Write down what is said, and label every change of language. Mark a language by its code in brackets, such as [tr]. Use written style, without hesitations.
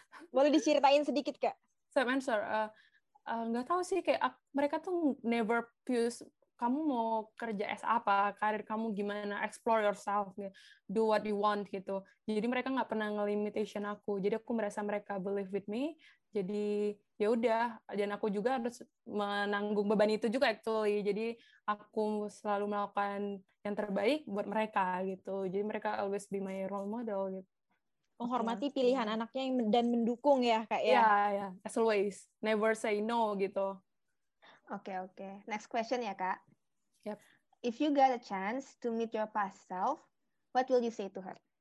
[id] Boleh diceritain sedikit, Kak? [en] Same answer. [id] Nggak tahu sih, kayak mereka tuh [en] never puse [id] kamu mau kerja as apa, karir kamu gimana, [en] explore yourself, do what you want, [id] gitu. Jadi mereka nggak pernah nge-limitation aku. Jadi aku merasa mereka [en] believe with me. [id] Jadi ya udah, dan aku juga harus menanggung beban itu juga [en] actually. [id] Jadi aku selalu melakukan yang terbaik buat mereka gitu. Jadi mereka [en] always be my role model [id] gitu. Menghormati pilihan anaknya dan mendukung ya Kak ya. Iya, [en] yeah, as always, never say no [id] gitu. [en] Okay. Next question [id] ya Kak. Yep. [en] If you got a chance to meet your past self, what will you say to her?